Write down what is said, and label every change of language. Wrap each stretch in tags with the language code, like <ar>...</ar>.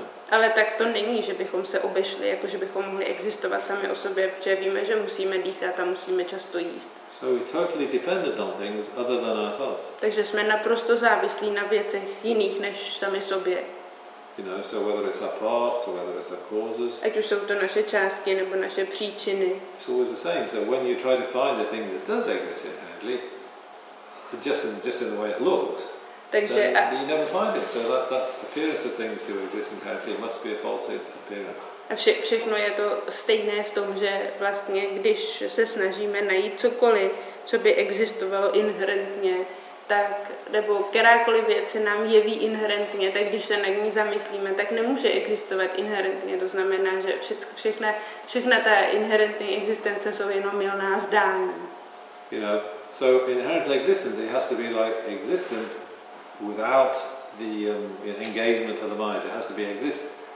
<cs>Ale tak to není, že bychom se obešli, jako že bychom mohli existovat sami o sobě, protože víme, že musíme dýchat a musíme často jíst.</cs> <en>So we're totally dependent on things other than ourselves.</en> <cs>Takže jsme naprosto závislí na věcech jiných než sami sobě.</cs> <en>You know, so whether it's our parts or whether it's our causes.</en> <cs>Ať už jsou to naše části nebo naše příčiny.</cs> <en>It's always the same. So when you try to find the thing that does exist inherently, just in the way it looks,</en> <cs>takže</cs> <en>then you never find it. So that appearance of things to exist inherently must be a false appearance.</en> <cs>A všechno je to stejné v tom, že vlastně, když se snažíme najít cokoliv, co by existovalo inherentně, tak, nebo kterákoliv věc se nám jeví inherentně, tak když se nad ní zamyslíme, tak nemůže existovat inherentně. To znamená, že všechna ta inherentní existence jsou jenom mylná zdání.</cs> <en>You know, so inherent existence, it has to be like existent without the engagement of the mind. It has to be existent.</en>